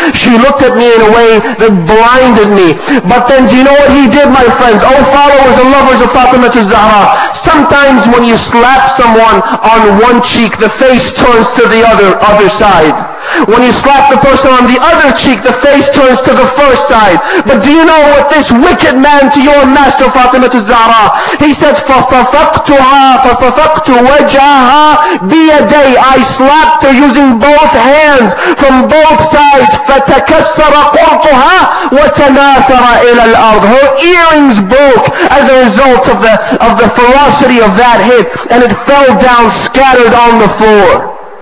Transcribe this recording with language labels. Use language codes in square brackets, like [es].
[en] She looked at me in a way that blinded me. But then, do you know what he did, my friends? Oh, followers and lovers of Fatima al-Zahra. Sometimes when you slap someone on one cheek, the face turns to the other side. When you slap the person on the other cheek, the face turns to the first side. But do you know what this wicked man to your master Fatima al-Zahra? He says, [ar] فَصَفَقْتُهَا فَصَفَقْتُ وَجَهَا بِيَدَيْ. [en] I slapped her using both hands from both sides. [ar] فَتَكَسَّرَ قُرْطُهَا وَتَنَاثَرَ إِلَى الْأَرْضِ. [en] Her earrings broke as a result of the ferocity of that hit, and it fell down scattered on the floor.